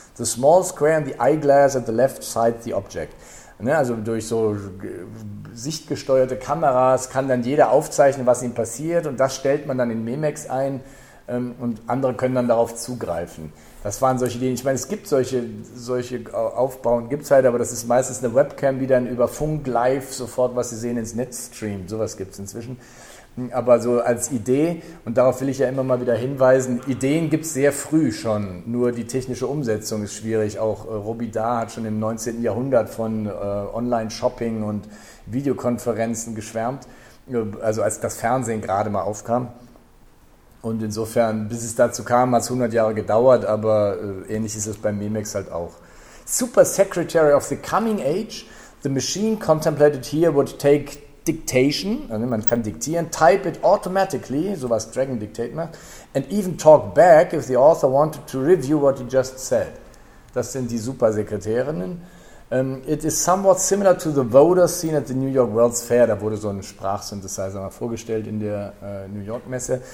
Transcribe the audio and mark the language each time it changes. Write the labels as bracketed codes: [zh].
[en] The small square in the eyeglass at the left side the object. [de] Also durch so sichtgesteuerte Kameras kann dann jeder aufzeichnen, was ihm passiert, und das stellt man dann in Memex ein, und andere können dann darauf zugreifen. Das waren solche Ideen. Ich meine, es gibt solche Aufbauen, gibt es halt, aber das ist meistens eine Webcam, die dann über Funk live sofort, was Sie sehen, ins Netz streamt. Sowas gibt es inzwischen. Aber so als Idee, und darauf will ich ja immer mal wieder hinweisen, Ideen gibt es sehr früh schon, nur die technische Umsetzung ist schwierig. Auch Robidar hat schon im 19. Jahrhundert von Online-Shopping und Videokonferenzen geschwärmt, also als das Fernsehen gerade mal aufkam. Und insofern, bis es dazu kam, hat es 100 Jahre gedauert, aber ähnlich ist es beim Memex halt auch. [en] Super Secretary of the Coming Age, the machine contemplated here would take Dictation, [de] also man kann diktieren, [en] type it automatically, [de] so was Dragon Dictate macht, [en] and even talk back if the author wanted to review what he just said. [de] Das sind die Supersekretärinnen. [en] It is somewhat similar to the voters seen at the New York World's Fair, [de] da wurde so ein Sprachsynthesizer mal vorgestellt in der New York Messe.